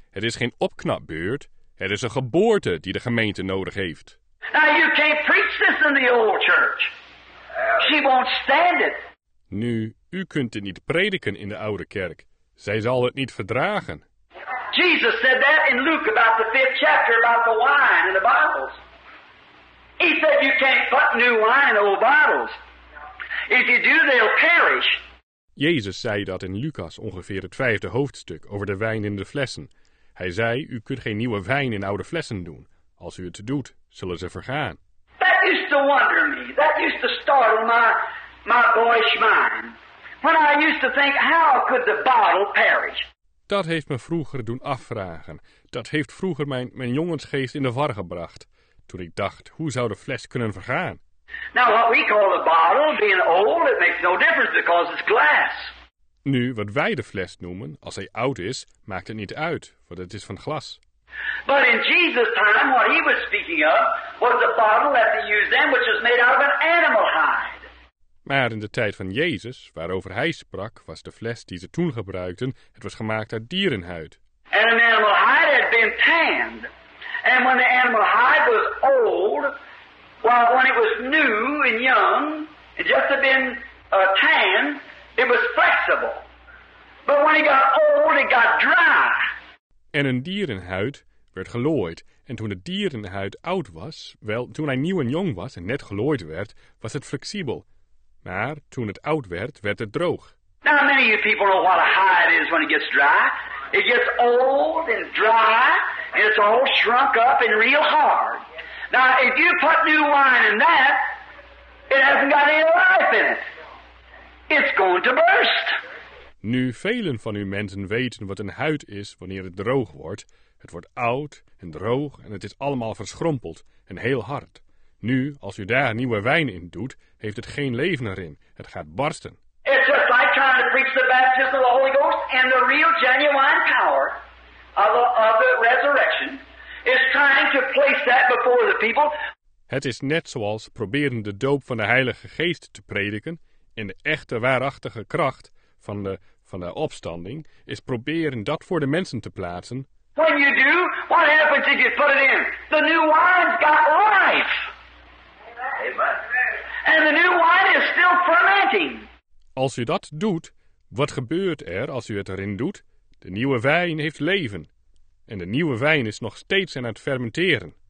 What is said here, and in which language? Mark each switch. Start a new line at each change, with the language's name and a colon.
Dutch: Het is geen opknapbeurt. Het is een geboorte die de gemeente nodig heeft.
English: Now you can't preach this in the old church. She won't stand it.
Dutch: Nu, u kunt het niet prediken in de oude kerk. Zij zal het niet verdragen.
English: Jesus said that in Luke about the fifth chapter about the wine in the bottles. He said you can't put new wine in old bottles. If you do, they'll perish.
Dutch: Jezus zei dat in Lucas ongeveer het vijfde hoofdstuk over de wijn in de flessen. Hij zei, u kunt geen nieuwe wijn in oude flessen doen. Als u het doet, zullen ze vergaan.
English: That used to wonder me. That used to startle my boyish mind. When I used to think, how could the bottle perish?
Dutch: Dat heeft me vroeger doen afvragen. Dat heeft vroeger mijn jongensgeest in de war gebracht. Toen ik dacht, hoe zou de fles kunnen vergaan?
English: Now what we call a bottle, being old, it makes no difference because it's glass.
Dutch: Nu, wat wij de fles noemen, als hij oud is, maakt het niet uit, want het is van glas.
English: But in Jesus' time, what he was speaking of, was a bottle that they used then, which was made out of an animal hide.
Dutch: Maar in de tijd van Jezus, waarover hij sprak, was de fles die ze toen gebruikten, het was gemaakt uit dierenhuid.
English: And an animal hide had been tanned. And when the animal hide was old, well, when it was new and young, it just had been tanned. It was flexible. But when it got old, it got dry.
Dutch: En een dierenhuid werd gelooid. En toen de dierenhuid oud was, wel, toen hij nieuw en jong was en net gelooid werd, was het flexibel. Maar toen het oud werd, werd het droog.
English: Now many of you people know what a hide is when it gets dry. It gets old and dry, and it's all shrunk up and real hard. Now if you put new wine in that, it hasn't got any life in it. It's going to burst.
Dutch: Nu velen van u mensen weten wat een huid is wanneer het droog wordt. Het wordt oud en droog en het is allemaal verschrompeld en heel hard. Nu, als u daar nieuwe wijn in doet, heeft het geen leven erin. Het gaat barsten.
English: It's just like trying to preach the baptism of the Holy Ghost and the real genuine power of the resurrection is trying to place that before the people.
Dutch: Het is net zoals proberen de doop van de Heilige Geest te prediken. En de echte waarachtige kracht van de opstanding is proberen dat voor de mensen te plaatsen.
English: When you do, what happens if you put it in? The new wine's got life. Amen. And the new wine is still fermenting.
Dutch: Als u dat doet, wat gebeurt er als u het erin doet? De nieuwe wijn heeft leven. En de nieuwe wijn is nog steeds aan het fermenteren.